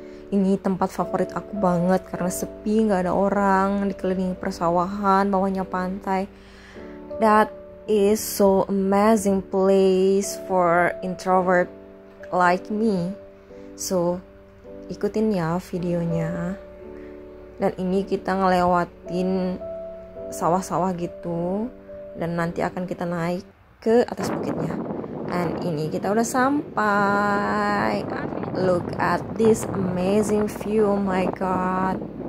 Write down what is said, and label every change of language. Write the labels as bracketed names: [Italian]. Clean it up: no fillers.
[Indonesian] Ini tempat favorit aku banget karena sepi, nggak ada orang, dikelilingi persawahan, bawahnya pantai. [English] That is so amazing place for introvert like me. [Indonesian] So, ikutin ya videonya. Dan ini kita ngelewatin sawah-sawah gitu, dan nanti akan kita naik ke atas bukitnya. And ini kita udah sampai. [English] Look at this amazing view, oh my god.